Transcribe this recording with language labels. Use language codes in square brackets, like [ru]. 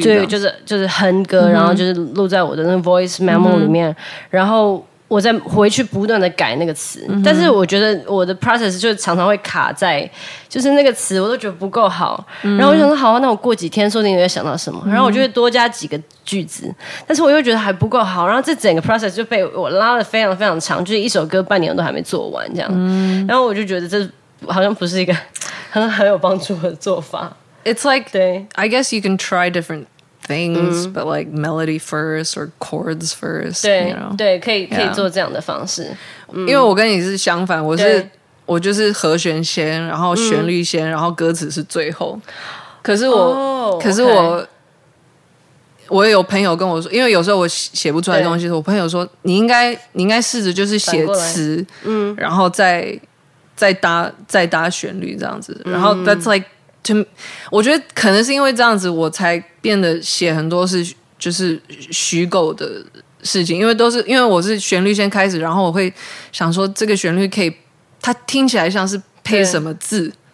[zh] 对，就是哼歌，然后就是录在我的那个 voice memo 里面，然后我在回去不断的改那个词，但是我觉得我的 process 就常常会卡在就是那个词我都觉得不够好，然后我想说好，那我过几天说不定也会想到什么，然后我就会多加几个句子，但是我又觉得还不够好，然后这整个 process 就被我拉得非常非常长，就是一首歌半年都还没做完这样，然后我就觉得这好像不是一个很有帮助的做法。 [en] It's like [zh] 对 [en] I guess you can try differentthings but like melody first or chords first， [zh] 对 [en] you know? [zh] 对，可以、 [en] yeah. [zh] 可以做这样的方式，因为我跟你是相反，我就是和弦先，然后旋律先，然后歌词是最后。可是我、 [en] oh, [zh] 可是我、 [en] okay. [zh] 我也有朋友跟我说，因为有时候我写不出来的东西，我朋友说你应该试着就是写词，然后再搭旋律这样子，然后 [en] that's like to [zh] 我觉得可能是因为这样子我才变得写很多是就是虚构的事情，因为都是因为我是旋律先开始，然后我会想说这个旋律可以它听起来像是配什么字，